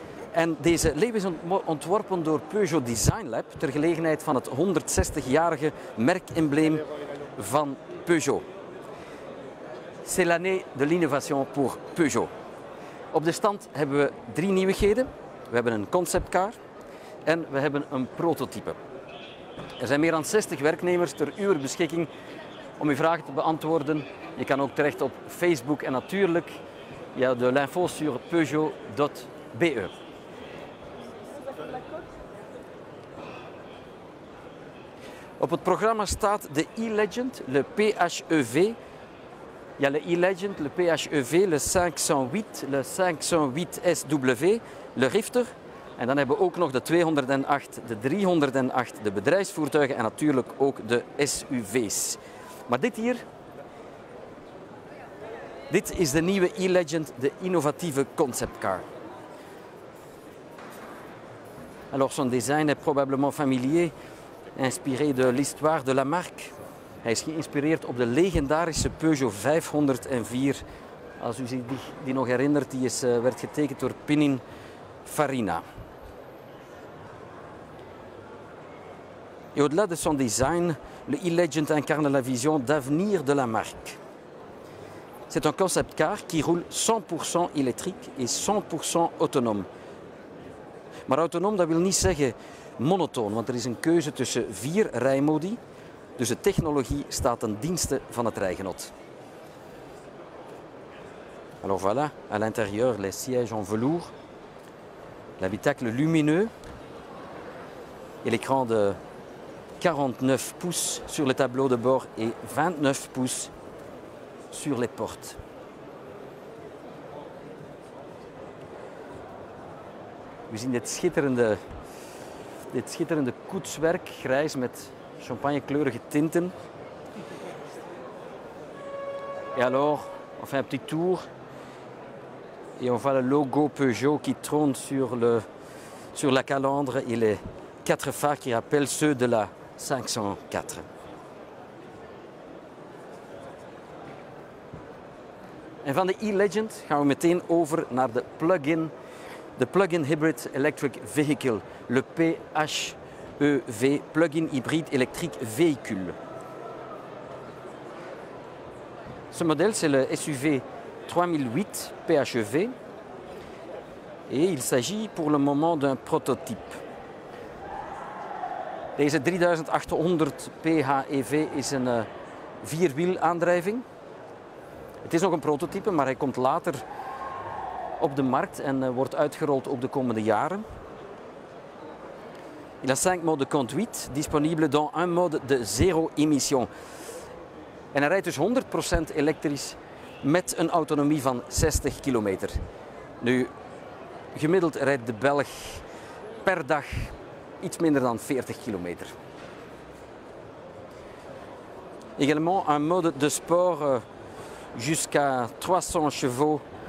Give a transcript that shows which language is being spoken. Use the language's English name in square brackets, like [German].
[Dutch] En deze leeuw is ontworpen door Peugeot Design Lab ter gelegenheid van het 160-jarige merkembleem van Peugeot. [French] C'est l'année de l'innovation pour Peugeot. [Dutch] Op de stand hebben we drie nieuwigheden. We hebben een conceptcar en we hebben een prototype. Er zijn meer dan 60 werknemers ter uw beschikking om uw vragen te beantwoorden. Je kan ook terecht op Facebook en natuurlijk ja, [French] de l'info sur peugeot.be. [Dutch] Op het programma staat de e-Legend, le PHEV. [French] Il y a le e-Legend, le PHEV, le 508, le 508SW, le Rifter. [Dutch] En dan hebben we ook nog de 208, de 308, de bedrijfsvoertuigen en natuurlijk ook de SUV's. Maar dit hier, dit is de nieuwe e-Legend, de innovatieve conceptcar. [French] Alors son design est probablement familier, inspiré de l'histoire de la marque. [Dutch] Hij is geïnspireerd op de legendarische Peugeot 504. Als u zich die nog herinnert, die is, werd getekend door Pininfarina. [French] Et au-delà de son design, le e-Legend incarne la vision d'avenir de la marque. C'est un concept car qui roule 100% électrique et 100% autonome. [Dutch] Maar autonoom, dat wil niet zeggen monotoon, want er is een keuze tussen vier rijmodi. Dus de technologie staat ten dienste van het rijgenot. [French] Alors voilà, à l'intérieur, les sièges en velours, l'habitacle lumineux et l'écran de 49 pouces sur le tableau de bord et 29 pouces sur les portes. [Dutch] We zien dit schitterende koetswerk, grijs met champagnekleurige tinten. [French] Et alors, on fait un petit tour. Et on voit le logo Peugeot qui trône sur la calandre et les quatre phares qui rappellent ceux de la 504. [Dutch] En van de e-Legend gaan we meteen over naar de plug-in. De Plug-in Hybrid Electric Vehicle, le PHEV, Plug-in Hybrid Electric Vehicle. [French] Ce modèle, c'est le SUV 3008 PHEV. Et il s'agit pour le moment d'un prototype. [Dutch] Deze 3800 PHEV is een vierwielaandrijving. Het is nog een prototype, maar hij komt later op de markt en wordt uitgerold ook de komende jaren. [French] Il a 5 modes de conduite, disponible dans un mode de zéro émission. [Dutch] En hij rijdt dus 100% elektrisch met een autonomie van 60 kilometer. Nu, gemiddeld rijdt de Belg per dag iets minder dan 40 kilometer. [French] Également un mode de sport jusqu'à 300 chevaux.